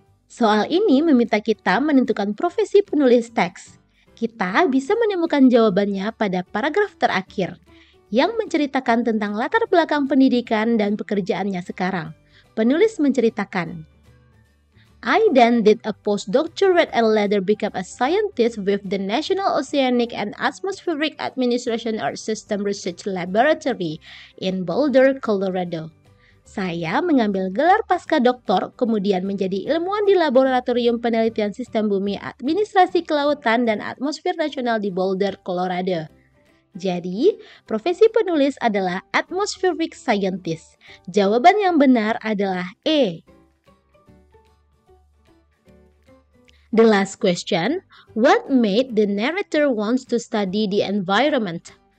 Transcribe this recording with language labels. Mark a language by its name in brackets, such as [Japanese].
[Indonesian] Soal ini meminta kita menentukan profesi penulis teks. Kita bisa menemukan jawabannya pada paragraf terakhir, yang menceritakan tentang latar belakang pendidikan dan pekerjaannya sekarang. Penulis menceritakan, [English] I then did a postdoctorate and later became a scientist with the National Oceanic and Atmospheric Administration Earth System Research Laboratory in Boulder, Colorado. [Indonesian] Saya mengambil gelar pasca doktor, kemudian menjadi ilmuwan di Laboratorium Penelitian Sistem Bumi Administrasi Kelautan dan Atmosfer Nasional di Boulder, Colorado. Jadi, profesi penulis adalah [English] atmospheric scientist. [Indonesian] Jawaban yang benar adalah E. [English] The last question, what made the narrator wants to study the environment?